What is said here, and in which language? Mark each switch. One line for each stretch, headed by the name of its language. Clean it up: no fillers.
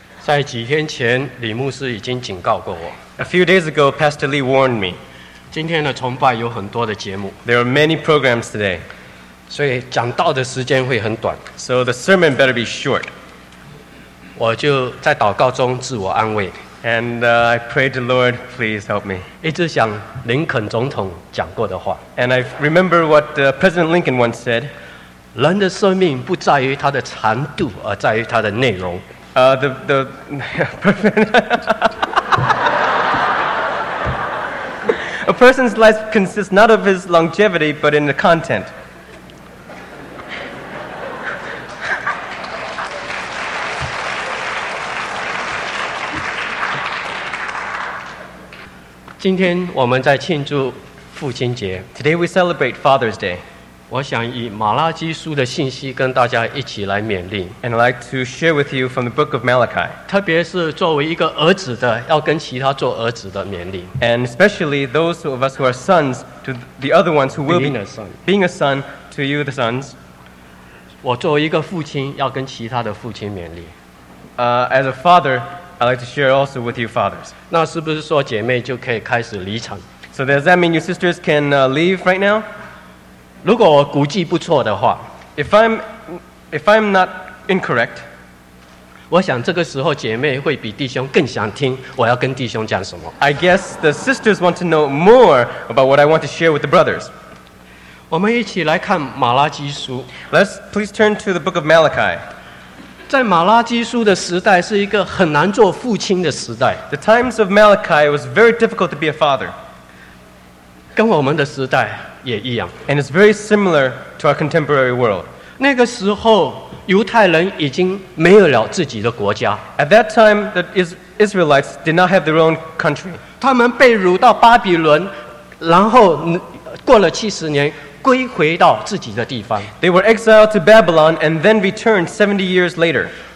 Chinese: 在几天前，李牧师已经警告过我。
English: A few days ago, Pastor Lee warned me.
Chinese: 今天的崇拜有很多的节目。
English: There are many programs today.
Chinese: 所以讲道的时间会很短。
English: So the sermon better be short.
Chinese: 我就在祷告中自我安慰。
English: And I pray to the Lord, please help me.
Chinese: 一直想林肯总统讲过的话。
English: And I remember what President Lincoln once said.
Chinese: 人的生命不在于它的长度，而在于它的内容。
English: The perfect. A person's life consists not of his longevity, but in the content.
Chinese: 今天我们在庆祝父亲节。
English: Today we celebrate Father's Day.
Chinese: 我想以马拉基书的信息跟大家一起来勉励。
English: And I'd like to share with you from the book of Malachi.
Chinese: 特别是作为一个儿子的，要跟其他做儿子的勉励。
English: And especially those of us who are sons to the other ones who will be a son. Being a son to you, the sons.
Chinese: 我作为一个父亲，要跟其他的父亲勉励。
English: As a father, I'd like to share also with you, fathers.
Chinese: 那是不是说姐妹就可以开始离场
English: ？So does that mean your sisters can leave right now?
Chinese: 如果我估计不错的话
English: If I'm not incorrect,
Chinese: 我想这个时候姐妹会比弟兄更想听我要跟弟兄讲什么。
English: I guess the sisters want to know more about what I want to share with the brothers.
Chinese: 我们一起来看马拉基书。
English: Let's please turn to the book of Malachi.
Chinese: 在马拉基书的时代是一个很难做父亲的时代。
English: The times of Malachi was very difficult to be a father.
Chinese: 跟我们的时代也一样。
English: And it's very similar to our contemporary world.
Chinese: 那个时候，犹太人已经没有了自己的国家。
English: At that time, the Israelites did not have their own country.
Chinese: 他们被掳到巴比伦，然后过了70年，归回到自己的地方。
English: They were exiled to Babylon and then returned 70 years later.